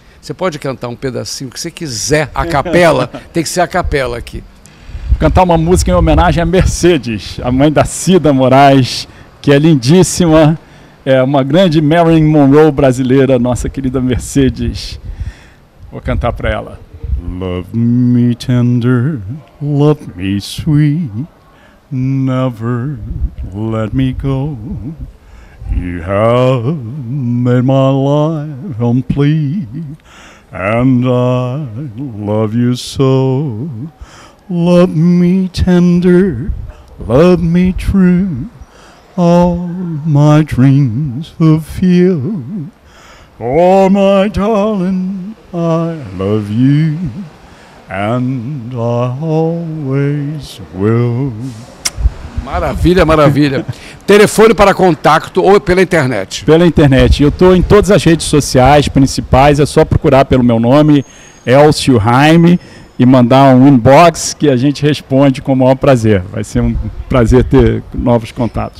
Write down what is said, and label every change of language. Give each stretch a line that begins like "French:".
Portuguese: Você pode cantar um pedacinho que você quiser, a capela, tem que ser a capela aqui. Vou cantar uma música em homenagem a Mercedes, a mãe da Cida Moraes, que é lindíssima, é uma grande Marilyn Monroe brasileira, nossa querida Mercedes. Vou cantar para ela.
English: Love me tender, love me sweet, never let me go. You have made my life complete, and I love you so. Love me tender, love me true, all my dreams fulfill. Oh, my darling, I love you, and I always will.
Portuguese: Maravilha, maravilha. Telefone para contato ou pela internet? Pela internet. Eu estou em todas as redes sociais principais. É só procurar pelo meu nome, Elcio Jaime, e mandar um inbox que a gente responde com o maior prazer. Vai ser um prazer ter novos contatos.